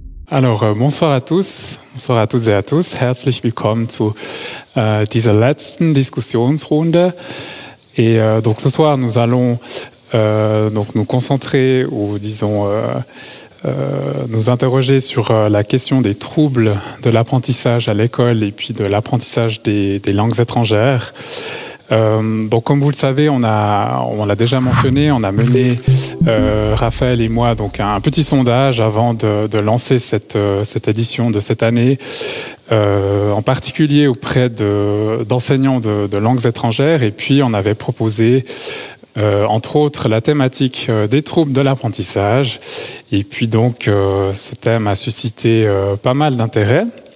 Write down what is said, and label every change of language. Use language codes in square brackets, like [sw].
[fr] Alors, bonsoir à tous, bonsoir à toutes et à tous. [de] Herzlich willkommen zu dieser letzten Diskussionsrunde. [fr] Et donc ce soir, nous allons donc nous concentrer ou disons nous interroger sur la question des troubles de l'apprentissage à l'école et puis de l'apprentissage des langues étrangères. Donc comme vous le savez, on l'a déjà mentionné, on a mené Raphaël et moi donc un petit sondage avant de lancer cette édition de cette année, en particulier auprès d'enseignants de langues étrangères, et puis on avait proposé entre autres la thématique des troubles de l'apprentissage, et puis donc ce thème a suscité pas mal d'intérêt.